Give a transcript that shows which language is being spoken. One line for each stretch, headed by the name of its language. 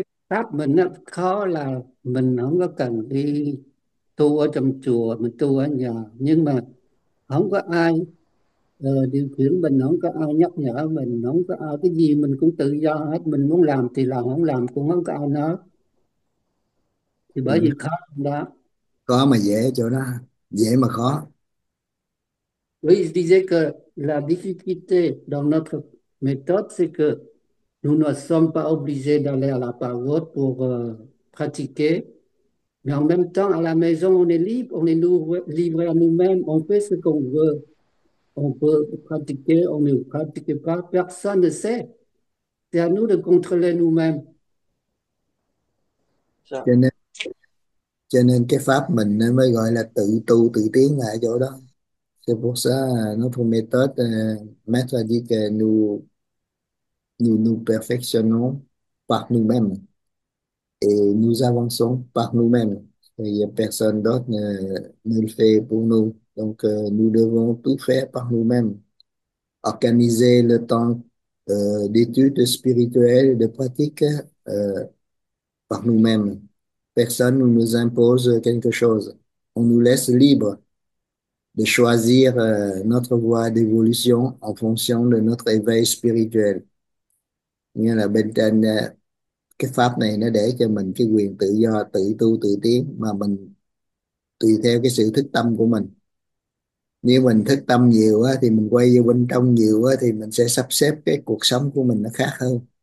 Vietnamese: Pháp mình nó khó là mình không có cần đi tu ở trong chùa, mình tu ở nhà, nhưng mà không có ai điều khiển mình, không có ai nhắc nhở mình, không có ai cái gì, mình cũng tự do hết, mình muốn làm thì làm, không làm cũng không có ai nói, thì bởi vì khó đó. Có mà dễ chỗ đó, dễ mà khó.
French: Oui, je disais que la difficulté dans notre méthode, c'est que nous ne sommes pas obligés d'aller à la pagode pour pratiquer, mais en même temps, à la maison, on est libre, on est livré à nous-mêmes, on fait ce qu'on veut. On peut pratiquer, on ne pratique pas, personne ne sait. C'est à nous de contrôler nous-mêmes.
Vietnamese: Cho nên cái pháp mình mới gọi là tự tu tự tiến ở chỗ đó.
French: C'est pour ça, notre méthode, Maître a dit que nous perfectionnons par nous-mêmes et nous avançons par nous-mêmes. Il n'y a personne d'autre ne le fait pour nous. Donc, nous devons tout faire par nous-mêmes. Organiser le temps d'études spirituelles, de pratiques par nous-mêmes. Personne ne nous impose quelque chose. On nous laisse libre de choisir notre voie d'évolution en fonction de notre éveil spirituel.
Vietnamese: Nghĩa là bên trên cái pháp này nó để cho mình cái quyền tự do, tự tu, tự tiến mà mình tùy theo cái sự thức tâm của mình. Nếu mình thức tâm nhiều á, thì mình quay vô bên trong nhiều á, thì mình sẽ sắp xếp cái cuộc sống của mình nó khác hơn.